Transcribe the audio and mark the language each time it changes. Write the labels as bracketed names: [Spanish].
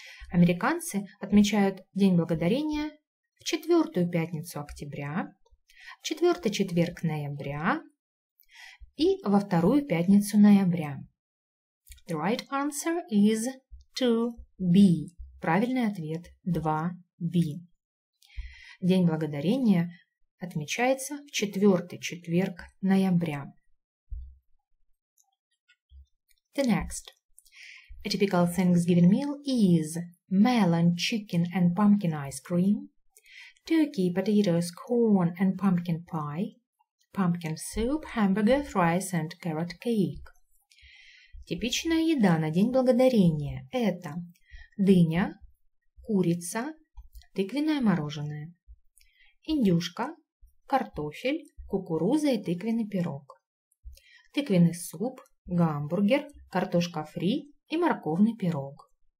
[Russian] Американцы отмечают День Благодарения в 4-ю пятницу октября, в 4-й четверг ноября и во 2-ю пятницу ноября. [English] The right answer is 2B. [Russian] Правильный ответ 2B. День Благодарения отмечается в 4-й четверг ноября. [English] The next. A typical Thanksgiving meal is melon, chicken and pumpkin ice cream, turkey, potatoes, corn and pumpkin pie, pumpkin soup, hamburger, fries and carrot cake. [Russian] Типичная еда на День Благодарения – это дыня, курица, тыквенное мороженое, индюшка, картофель, кукуруза и тыквенный пирог, тыквенный суп, гамбургер, картошка фри и морковный пирог.